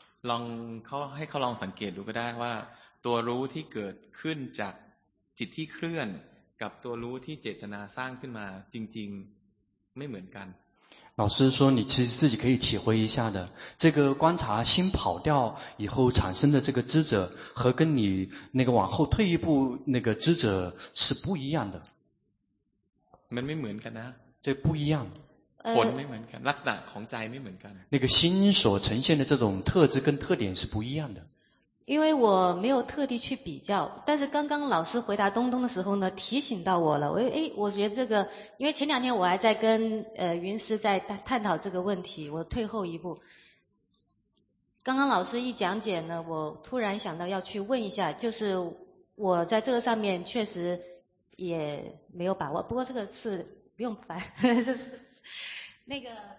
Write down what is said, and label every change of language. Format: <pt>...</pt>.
<th>ลองเขาให้เขาลองสังเกตดูก็ได้ว่าตัวรู้ที่เกิดขึ้นจากจิตที่เคลื่อนกับตัวรู้ที่เจตนาสร้างขึ้นมาจริงๆไม่เหมือนกัน</th> <zh>老师说你其实自己可以体会一下的这个观察心跑掉以后产生的这个知者和跟你那个往后退一步那个知者是不一样的</zh> <th>มันไม่เหมือนกันนะ</th> <zh>这不一样</zh> <th>ผลไม่เหมือนกันลักษณะของใจไม่เหมือนกัน</th> <zh>那个心所呈现的这种特质跟特点是不一样的因为我没有特地去比较但是刚刚老师回答东东的时候呢提醒到我了我觉得这个因为前两天我还在跟云师在探讨这个问题我退后一步刚刚老师一讲解呢我突然想到要去问一下就是我在这个上面确实也没有把握不过这个是不用烦那个</zh>